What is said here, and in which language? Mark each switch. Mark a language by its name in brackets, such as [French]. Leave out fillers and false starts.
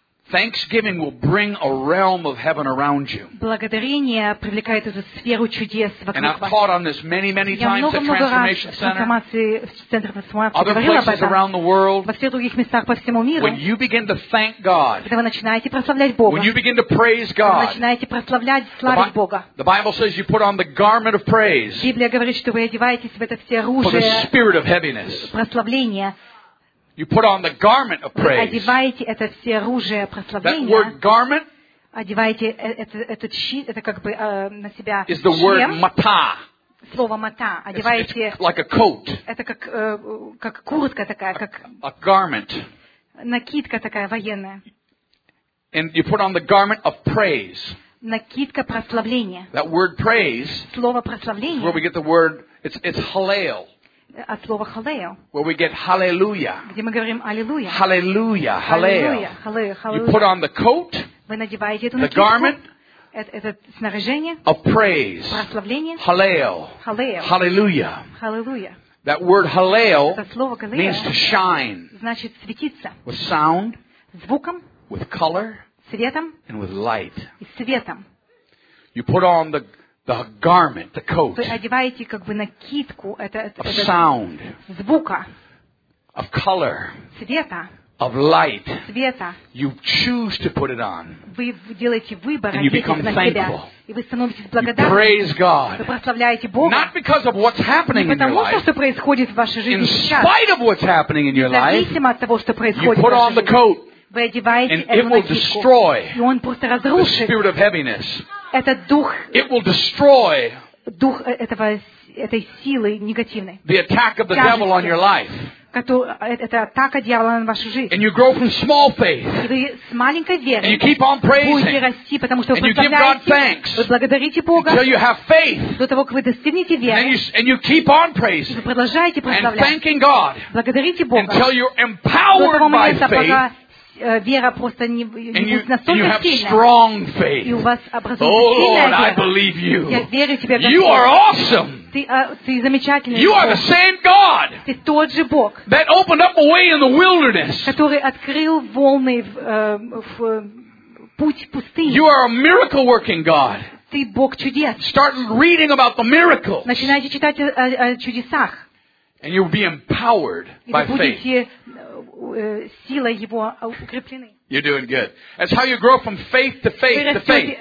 [English] Thanksgiving will bring a realm of heaven around you. [Russian] Благодарение привлекает эту сферу чудес вокруг вас. [English] And I've taught on this many, many times at Transformation Center. Other places around the world. [Russian] Во всех других местах по всему миру. [English] When you begin to thank God. [Russian] Когда вы начинаете прославлять Бога. [English] When you begin to praise God. [Russian] Начинаете прославлять, славить Бога. [English] The Bible says you put on the garment of praise. [Russian] Библия говорит, что вы одеваетесь в это все оружие. [English] For the spirit of heaviness. [Russian] Прославление. [English] You put on the garment of praise. [Russian] Одеваете это все оружие прославления. [English] That word garment. [Russian] Одеваете этот щит, это как бы на себя. [English] Is the word mata. [Russian] Слово мата. Одеваете. [English] It's like a coat. [Russian] Это как куртка такая, как. [English] A garment. [Russian] Накидка такая военная. [English] And you put on the garment of praise. [Russian] Накидка прославления. [English] That word praise. [Russian] Слово прославление. [English] Where we get the word, it's hallel. [Russian] От слова халлео. [English] Where we get hallelujah. [Russian] Где мы говорим аллилуйя. [English] Hallelujah, hallel. Hallelujah. You put on the coat. [Russian] Вы надеваете эту накидку. [English] The garment. [Russian] Это снаряжение. [English] Of praise. [Russian] Прославление. [English] Hallel. Hallelujah. Hallelujah. That word hallel. [Russian] Это слово халлео. [English] Means to shine. [Russian] Значит светиться. [English] With sound. [Russian] Звуком. [English] With color. [Russian] Светом. [English] And with light. [Russian] И светом. [English] You put on the garment, the coat. [Russian] Вы одеваете как бы накидку, это [English] sound, [Russian] звука, [English] of color, [Russian] света, [English] of light, [Russian] света. [English] You choose to put it on. [Russian] Вы делаете выбор, [English] and you become thankful. [Russian] И вы становитесь благодарны. [English] You praise God. [Russian] Вы прославляете Бога. [English] Not because of what's happening in your life. [Russian] Что происходит в вашей жизни сейчас. [English] In spite of what's happening in your life. [Russian] Независимо от того, что происходит. [English] You put on the coat. [Russian] Вы одеваете эту накидку. [English] And it will destroy. [Russian] И он просто разрушит. [English] The spirit of heaviness. [Russian] Этот дух, [English] it will destroy [Russian] дух этой силы негативной, [English] the attack of the devil on your life. [Russian] Это атака дьявола на вашу жизнь. [English] And you grow from small faith. [Russian] И вы с маленькой верой. [English] And you keep on praising. [Russian] Будете расти, потому что вы прославляете. [English] And you give God thanks. [Russian] Вы благодарите Бога. [English] Until you have faith. [Russian] До того, как вы достигнете веры. [English] And you keep on praising. [Russian] Вы продолжаете прославлять. [English] And thanking God. [Russian] Благодарите Бога. [English] Until you're empowered by faith. [Russian] Вера просто не будет настолько сильной. И у вас образуется сильная вера. Я верю тебе, Господь. [English] You are awesome. [Russian] Ты замечательный. [English] You are the same God. [Russian] Ты тот же Бог. [English] That opened up a way in the wilderness. [Russian] Который открыл волны в путь пустыни. [English] You are a miracle working God. [Russian] Ты Бог чудес. [English] Start reading about the miracles. [Russian] Начинайте читать о чудесах. [English] And you will be empowered by faith. [Russian] Силой его укреплены. [English] You're doing good. That's how you grow from faith to faith to faith.